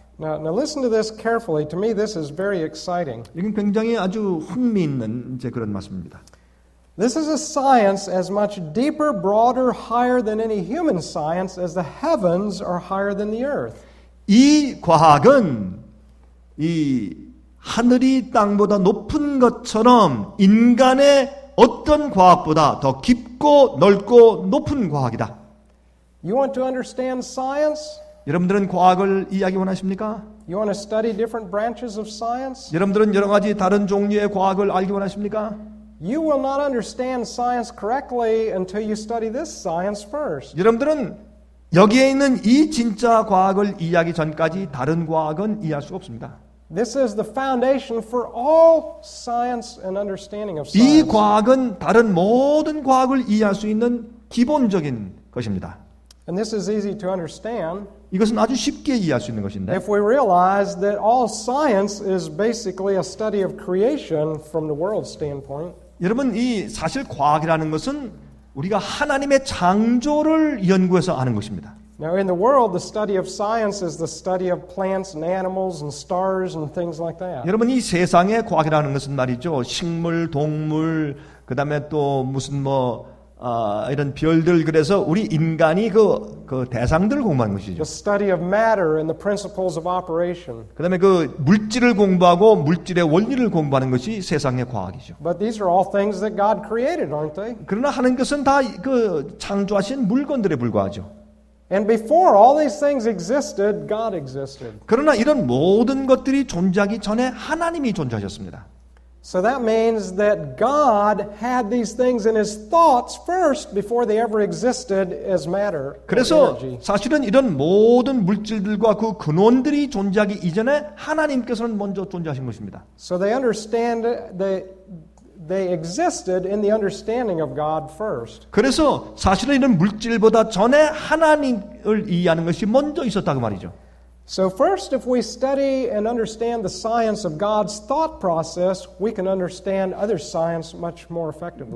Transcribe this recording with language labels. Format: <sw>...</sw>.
<en>Now listen to this carefully. To me, this is very exciting.</en> <ko>이건 굉장히 아주 흥미있는 이제 그런 말씀입니다.</ko> <en>This is a science as much deeper, broader, higher than any human science as the heavens are higher than the earth.</en> <ko>이 과학은 이 하늘이 땅보다 높은 것처럼 인간의 어떤 과학보다 더 깊고 넓고 높은 과학이다.</ko> <en>You want to understand science?</en> <ko>여러분들은 과학을 이해하기 원하십니까?</ko> <en>You want to study different branches of science?</en> <ko>여러분들은 여러 가지 다른 종류의 과학을 알기 원하십니까?</ko> <en>You will not understand science correctly until you study this science first.</en> <ko>여러분들은 여기에 있는 이 진짜 과학을 이해하기 전까지 다른 과학은 이해할 수가 없습니다.</ko> <en>This is the foundation for all science and understanding of science.</en> <ko>이 과학은 다른 모든 과학을 이해할 수 있는 기본적인 것입니다.</ko> <en>And this is easy to understand.</en> <ko>이것은 아주 쉽게 이해할 수 있는 것인데.</ko> <en>If we realize that all science is basically a study of creation from the world standpoint.</en> <ko>여러분, 이 사실 과학이라는 것은 우리가 하나님의 창조를 연구해서 아는 것입니다.</ko> <en>Now in the world, the study of science is the study of plants and animals and stars and things like that.</en> <ko>여러분, 이 세상의 과학이라는 것은 말이죠. 식물, 동물, 그다음에 또 무슨 뭐 이런 별들, 그래서 우리 인간이 그 대상들을 공부하는 것이죠.</ko> <en>The study of matter and the principles of operation.</en> <ko>그다음에 그 물질을 공부하고 물질의 원리를 공부하는 것이 세상의 과학이죠.</ko> <en>But these are all things that God created, aren't they?</en> <ko>그러나 하는 것은 다 그 창조하신 물건들에 불과하죠.</ko> <en>And before all these things existed, God existed.</en> <ko>그러나 이런 모든 것들이 존재하기 전에 하나님이 존재하셨습니다.</ko> <en>So that means that God had these things in his thoughts first before they ever existed as matter.</en> <ko>그래서 사실은 이런 모든 물질들과 그 근원들이 존재하기 이전에 하나님께서는 먼저 존재하신 것입니다.</ko> <en>So they understand they existed in the understanding of God first.</en> <ko>그래서 사실은 이런 물질보다 전에 하나님을 이해하는 것이 먼저 있었다고 말이죠.</ko> <en>So first, if we study and understand the science of God's thought process, we can understand other science much more effectively.</en>